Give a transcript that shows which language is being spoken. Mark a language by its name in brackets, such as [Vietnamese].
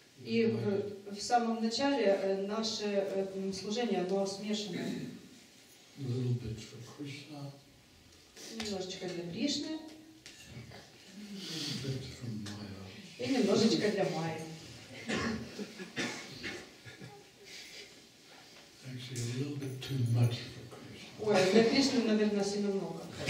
[Russian] И в самом начале наше служение было смешанное. [English] A little bit for Krishna. [Russian] Немножечко для Кришны. [English] A little bit from Maya. [Russian] И немножечко для Майи. [English] Actually, a little bit too much for Krishna. [Russian] Ой, для Кришны, наверное, сильно много.